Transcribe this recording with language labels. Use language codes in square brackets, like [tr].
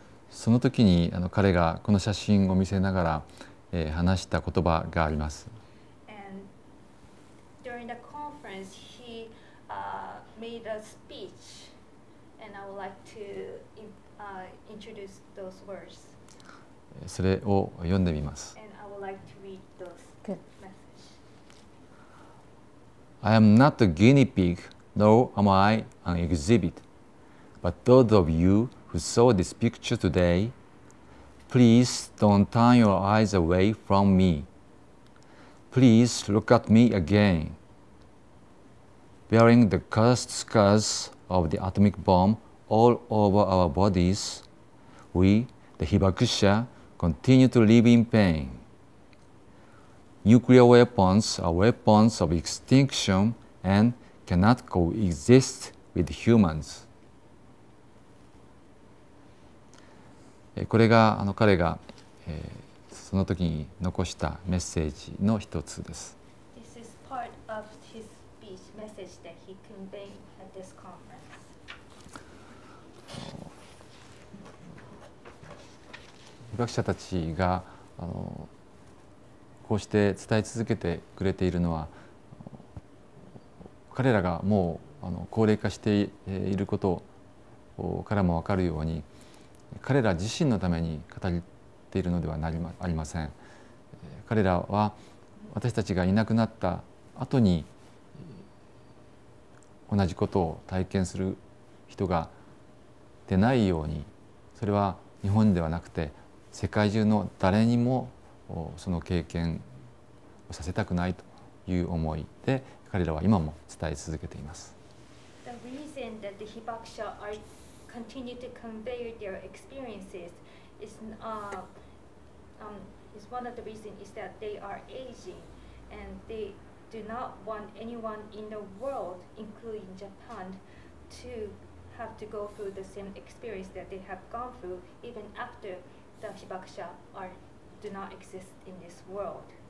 [ja] その時に彼がこの写真を見せながら、話した言葉があります。 [en] And during the conference, he, made a speech, and I would like to, introduce those words. [ja] それを読んでみます。 [en] And I would like to read those messages. I am not a guinea pig, nor am I an exhibit. But those of you who saw this picture today, please don't turn your eyes away from me. Please look at me again. Bearing the cursed scars of the atomic bomb all over our bodies, we, the Hibakusha, continue to live in pain. Nuclear weapons are weapons of extinction and cannot coexist with humans. [ja] これが彼が、その時に残したメッセージの一つです。 [en] This is part of his speech message that he conveyed at this conference. [ja] 被爆者たちがこうして伝え続けてくれているのは、彼らがもう高齢化していることからも分かるように、彼ら自身のために語っているのではありません。彼らは私たちがいなくなった後に同じことを体験する人が出ないように、それは日本ではなくて世界中の誰にもその経験させたくないという思いで、彼らは今も伝え続けています。 [en] The reason that the Hibakusha are continue to convey their experiences is one of the reasons is that they are aging and they do not want anyone in the world, including Japan, to have to go through the same experience that they have gone through even after the hibakusha are do not exist in this world.